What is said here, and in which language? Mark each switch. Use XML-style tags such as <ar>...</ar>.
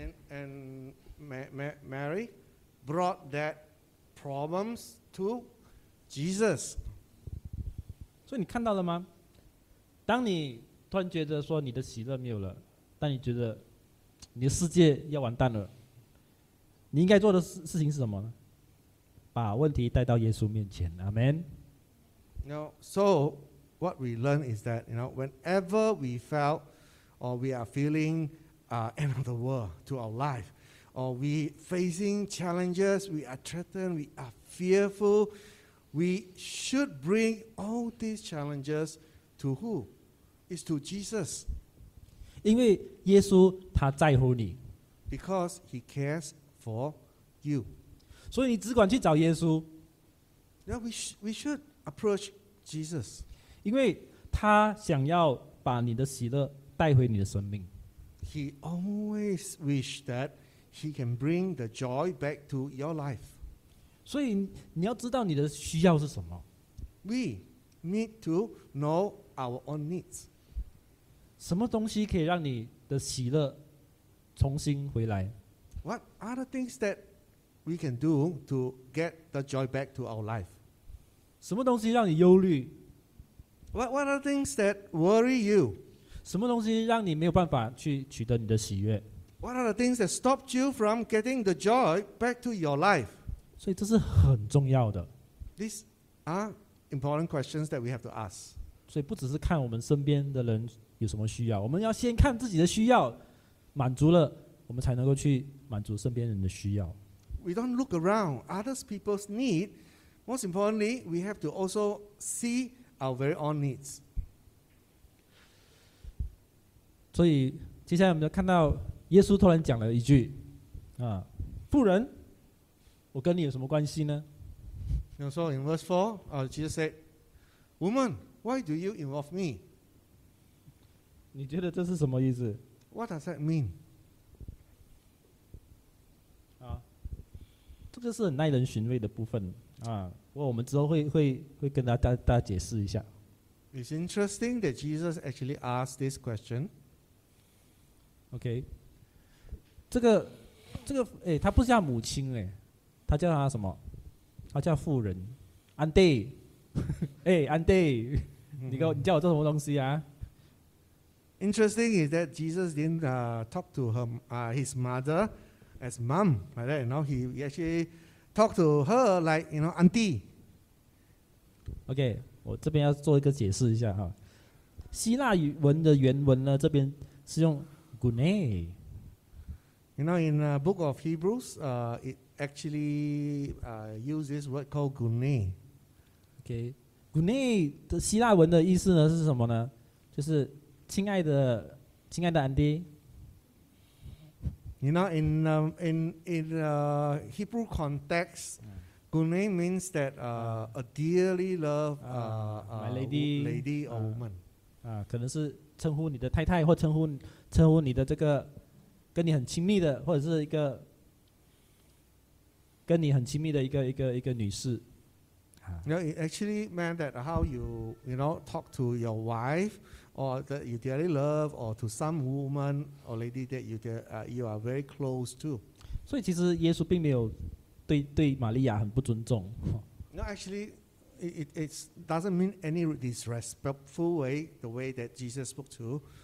<en>and Mary brought that problems to Jesus.</en> <zh>所以你看到了吗？当你突然觉得说你的喜乐没有了，当你觉得你的世界要完蛋了，你应该做的事情是什么呢？把问题带到耶稣面前。Amen.</zh> <en>Now, so what we learn is that, you know, whenever we felt or we are feeling end of the world to our life. Or we facing challenges, we are threatened, we are fearful. We should bring all these challenges to who? It's to Jesus.</en> <zh>因为耶稣他在乎你。</zh> <en>Because he cares for you.</en> <zh>所以你只管去找耶稣。</zh> <en>Yeah, we should approach Jesus.</en> <zh>因为他想要把你的喜乐带回你的生命。</zh> <en>He always wished that. He can bring the joy back to your life.</en> <zh>所以你要知道你的需要是什么。</zh> <en>We need to know our own needs.</en> <zh>什么东西可以让你的喜乐重新回来？</zh> <en>What other things that we can do to get the joy back to our life?</en> <zh>什么东西让你忧虑？</zh> <en>What other things that worry you?</en> <zh>什么东西让你没有办法去取得你的喜悦？</zh> <en>What are the things that stopped you from getting the joy back to your life?</en> <zh>所以这是很重要的。</zh> <en>These are important questions that we have to ask.</en> <zh>所以不只是看我们身边的人有什么需要，我们要先看自己的需要，满足了，我们才能够去满足身边人的需要。</zh> <en>We don't look around other people's need. Most importantly, we have to also see our very own needs.</en> <zh>所以接下来我们就看到耶稣突然讲了一句，啊，妇人，我跟你有什么关系呢？那说</zh> <en>in verse 4, Jesus said, "Woman, why do you involve me?"</en> <zh>你觉得这是什么意思</zh> <en>？What does that mean?</en> <zh>啊，这个是很耐人寻味的部分啊。不过我们之后会跟大家解释一下。</zh> <en>It's interesting that Jesus actually asked this question.</en> <zh>OK， 这个，哎，他不是叫母亲哎，他叫他什么？他叫妇人，安迪，哎，安迪，你叫我做什么东西啊</zh> <en>？Interesting is that Jesus didn't talk to her his mother as mom like that. Now he actually talked to her like you know auntie.</en> <zh>OK， 我这边要做一个解释一下哈，希腊语文的原文呢，这边是用。</zh> <en>You know, in the book of Hebrews, it actually uses this word called gune.</en> <zh>Okay, gune 的希腊文的意思呢是什么呢？就是亲爱的，亲爱的安迪。</zh> <en>You know, in Hebrew context, gune means that a dearly loved lady or woman.</en> <zh>可能是称呼你的太太或称呼。称呼你的这个跟你很亲密的，或者是一个跟你很亲密的一个女士。</zh> <en>You know, it actually meant that how you know talk to your wife or that you dearly love or to some woman or lady that you are very close to.</en> <zh>所以其实耶稣并没有对玛利亚很不尊重。</zh> <en>No, actually, it doesn't mean any disrespectful way the way that Jesus spoke to.</en>